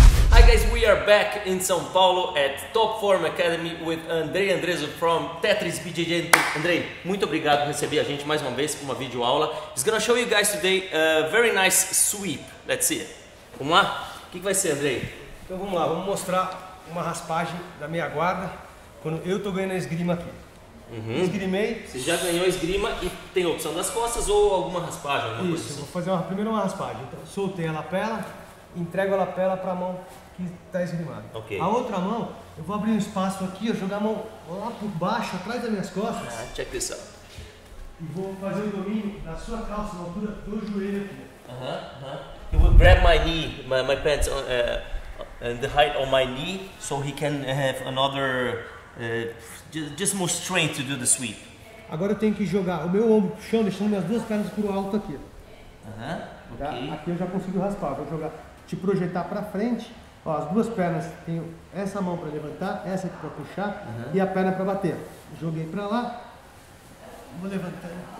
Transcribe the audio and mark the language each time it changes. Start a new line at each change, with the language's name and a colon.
English: Hi guys, we are back in São Paulo at Top Form Academy with Andrei Andreso from Tetris BJJ.
Portuguese: Andrei, muito obrigado por receber a gente mais uma vez para uma videoaula.
English: He's gonna show you guys today a very nice sweep. Let's see.
Portuguese: Vamos lá? O que vai ser, Andrei? Então vamos lá, vamos mostrar uma raspagem da minha guarda quando eu estou ganhando a esgrima aqui. Uhum. Esgrimei. Você já ganhou a esgrima e tem a opção das costas ou alguma raspagem? Alguma Isso, coisa assim. Vou fazer primeiro uma raspagem. Então, soltei a lapela. Entrego a lapela para a mão que está esgrimada. Okay. A outra mão, eu vou abrir um espaço aqui, eu jogar a mão lá por baixo, atrás das minhas costas.
English: Ah, check this out.
Portuguese: E vou fazer o domínio da sua calça, na altura do joelho aqui.
English: He will grab my knee, my pants, the height of my knee, so he can have another, just more strength to do the sweep.
Portuguese: Agora eu tenho que jogar o meu ombro pro chão, deixando minhas duas pernas pro alto aqui. Aham, okay. Aqui eu já consigo raspar, vou jogar. Te projetar para frente, ó, as duas pernas, tenho essa mão para levantar, essa aqui para puxar e a perna para bater. Joguei para lá, vou levantar.